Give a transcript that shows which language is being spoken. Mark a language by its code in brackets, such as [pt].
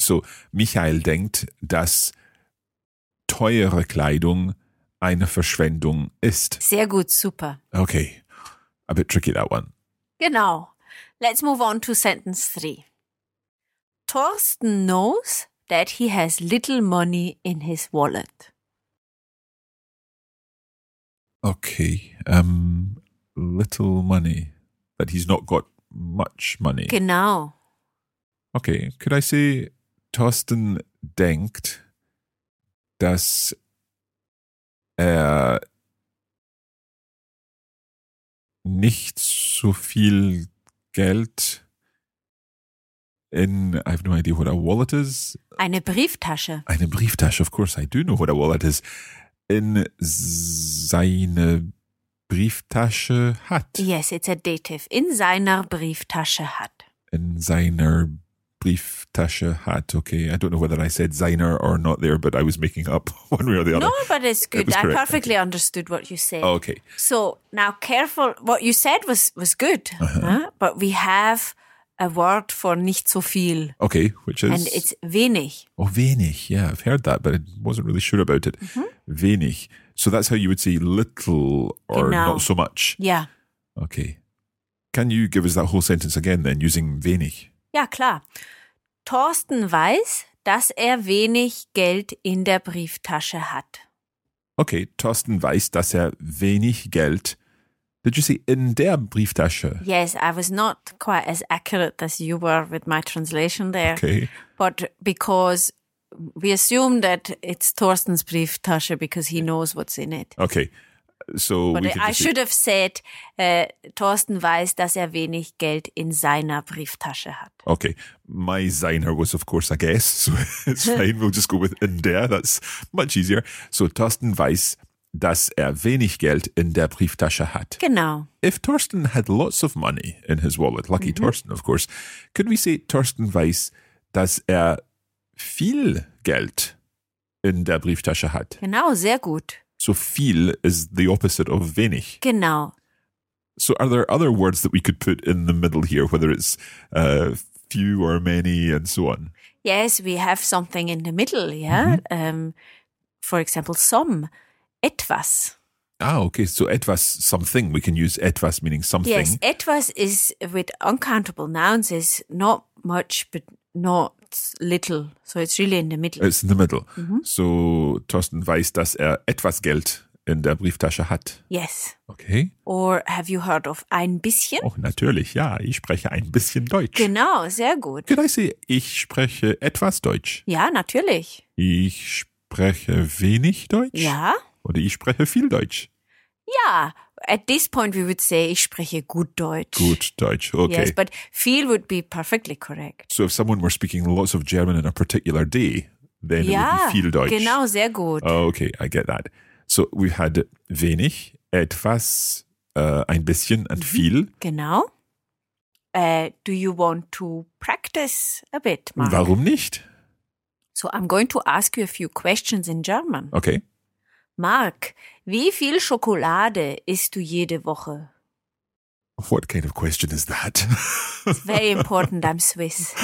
[de] So Michael denkt, dass teure Kleidung eine Verschwendung ist. Sehr gut, super. [en] Okay, a bit tricky that one. [de] Genau. [en] Let's move on to sentence 3. Thorsten knows that he has little money in his wallet. Okay. Little money. That he's not got much money. [de] Genau. [en] Okay. Could I say [de] Thorsten denkt, dass er nicht so viel Geld in, [en] I have no idea what a wallet is. [de] Eine Brieftasche. Eine Brieftasche, [en] of course, I do know what a wallet is. [de] In seine Brieftasche hat. [en] Yes, it's a dative. [de] In seiner Brieftasche hat. In seiner Brieftasche hat, okay. [en] I don't know whether I said seiner or not there, but I was making up one way or the other. No, but it's good. It I correct. Perfectly okay. understood what you said. Oh, okay. So now careful. What you said was good, huh? But we have... a word for [de] nicht so viel. [en] Okay, which is? And it's wenig. Oh, wenig. Yeah, I've heard that, but I wasn't really sure about it. Mm-hmm. Wenig. So that's how you would say little or genau. Not so much. Yeah. Okay. Can you give us that whole sentence again then, using wenig? [de] Ja, klar. Thorsten weiß, dass er wenig Geld in der Brieftasche hat. Okay, Thorsten weiß, dass er wenig Geld... [en] Did you say [de] in der Brieftasche? [en] Yes, I was not quite as accurate as you were with my translation there. Okay. But because we assume that it's Thorsten's Brieftasche because he knows what's in it. Okay. So but I should have said, [de] Thorsten weiß, dass er wenig Geld in seiner Brieftasche hat. [en] Okay. My seiner was, of course, a guess. So it's fine. We'll just go with in der. That's much easier. So Thorsten weiß... [de] dass er wenig Geld in der Brieftasche hat. Genau. [en] If Thorsten had lots of money in his wallet, lucky mm-hmm. Thorsten, of course, could we say [de] Thorsten weiß, dass er viel Geld in der Brieftasche hat? Genau, sehr gut. [en] So viel is the opposite of wenig. [de] Genau. [en] So are there other words that we could put in the middle here, whether it's few or many and so on? Yes, we have something in the middle, yeah? Mm-hmm. For example, some. Etwas. Ah, okay. So etwas, something. We can use etwas meaning something. Yes, etwas is, with uncountable nouns, is not much, but not little. So it's really in the middle. It's in the middle. Mm-hmm. [de] So Thorsten weiß, dass er etwas Geld in der Brieftasche hat. [en] Yes. Okay. Or have you heard of ein bisschen? [de] Oh, natürlich, ja. Ich spreche ein bisschen Deutsch. Genau, sehr gut. [en] Could I say, [de] ich spreche etwas Deutsch? Ja, natürlich. Ich spreche wenig Deutsch? Ja. Oder ich spreche viel Deutsch. [en] Ja, at this point we would say, [de] ich spreche gut Deutsch. Gut Deutsch, okay. [en] Yes, but viel would be perfectly correct. So if someone were speaking lots of German in a particular day, then [de] ja, [en] it would be viel Deutsch. [de] Genau, sehr gut. [en] Okay, I get that. So we had wenig, etwas, ein bisschen und mhm. [de] viel. Genau. [en] Do you want to practice a bit, Mark? [de] Warum nicht? [en] So I'm going to ask you a few questions in German. Okay. [de] Mark, wie viel Schokolade isst du jede Woche? [en] What kind of question is that? It's very important, I'm Swiss.